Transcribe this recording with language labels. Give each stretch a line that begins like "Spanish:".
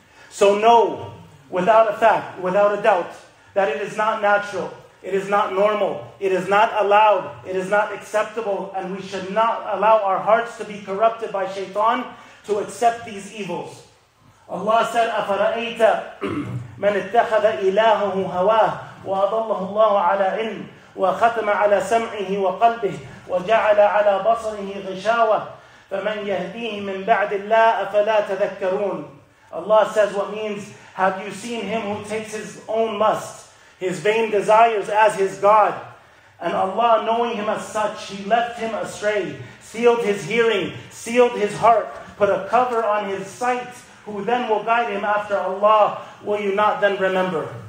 English: So know, without a doubt, that it is not natural, it is not normal, it is not allowed, it is not acceptable, and we should not allow our hearts to be corrupted by shaitan to accept these evils. Allah said,
Arabic: أَفَرَأَيْتَ من اتخذ إلهه هواه وأضله الله على علم وختم على سمعه وقلبه وجعل على بصره غشاوة فمن يهديه من بعد الله أفلا تذكرون.
English: Allah says, what means, have you seen him who takes his own lust, his vain desires as his God? And Allah, knowing him as such, he left him astray, sealed his hearing, sealed his heart, put a cover on his sight, who then will guide him after Allah, will you not then remember?